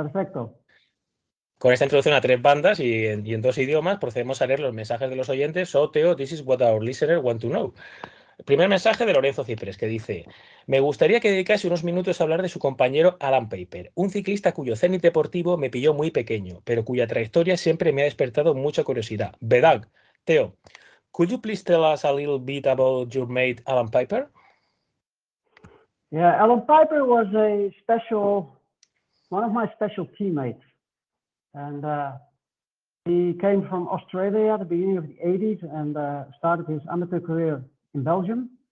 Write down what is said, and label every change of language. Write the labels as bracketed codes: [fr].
[es] Con esta introducción a tres bandas y en dos idiomas, procedemos a leer los mensajes de los oyentes. [en] So, Theo, this is what our listeners want to know. [es] Primer mensaje de Lorenzo Cipres, que dice: me gustaría que dedicase unos minutos a hablar de su compañero Alan Piper, un ciclista cuyo cenit deportivo me pilló muy pequeño, pero cuya trayectoria siempre me ha despertado mucha curiosidad. [en] Bedag, Theo, could you please tell us a little bit about your mate Alan Piper? Yeah, Alan Piper was a special, one of my special teammates. And He came from Australia at the beginning of the 80s and started his amateur career in Belgium.